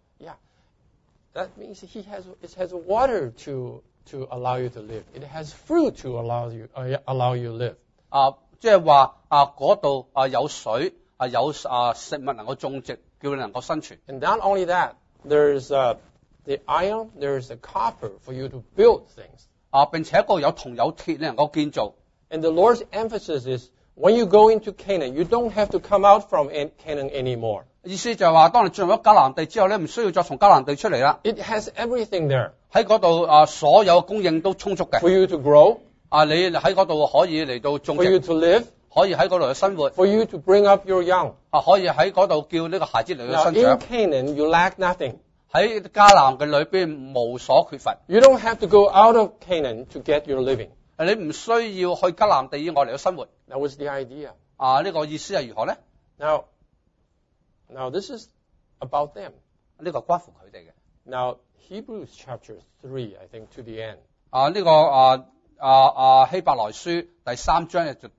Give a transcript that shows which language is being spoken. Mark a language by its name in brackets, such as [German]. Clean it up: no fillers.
[English] Yeah, that means he has it has water to allow you to live. It has fruit to allow you live. [Cantonese] 啊，即系话啊嗰度啊有水啊有啊食物能够种植。叫你能够生存。 [English] And not only that, there's the iron, there's the copper for you to build things. [Cantonese] 啊，并且个有铜有铁，你能够建造。 [English] And the Lord's emphasis is when you go into Canaan, you don't have to come out from Canaan anymore. [Cantonese] 意思就系话，当你进入咗迦南地之后咧，唔需要再从迦南地出嚟啦。 [English] It has everything there. [Cantonese] 喺嗰度啊，所有供应都充足嘅。 [English] For you to grow. [Cantonese] 啊，你喺嗰度可以嚟到种植。 [English] For you to live. [Cantonese] 可以喺嗰度生活。 [English] For you to bring up your young. [Cantonese] 啊，可以喺嗰度叫呢个孩子嚟到生 [English] 长。Now, in Canaan, you lack nothing. [Cantonese] 喺迦南嘅里边无所缺乏。 [English] You don't have to go out of Canaan to get your living. [Cantonese] 你唔需要去迦南地以外嚟到生活。 [English] That was the idea. [Cantonese] 啊，呢个意思系如何呢？ [English] Now this is about them. [Cantonese] 呢个关乎佢哋嘅。 [English] Now Hebrews chapter 3, I think to the end. [Cantonese] 啊，呢个希伯来书第三章就。